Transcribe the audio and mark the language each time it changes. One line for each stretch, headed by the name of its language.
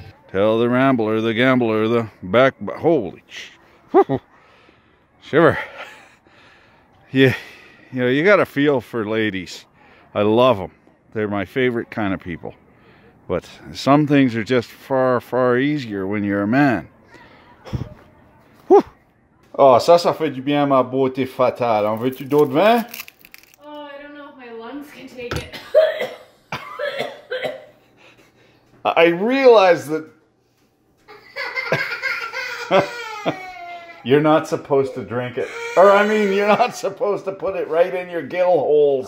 English: Tell the rambler, the gambler, the back... Holy... Shiver. Yeah, you know, you got a feel for ladies. I love them. They're my favorite kind of people. But some things are just far, far easier when you're a man.
French: Oh, ça fait du bien, ma beauté fatale. En veux-tu d'autres vins?
English: Oh, I don't know if my lungs can take it. I realize that... you're not supposed to drink it. Or, I mean, you're not supposed to put it right in your gill holes.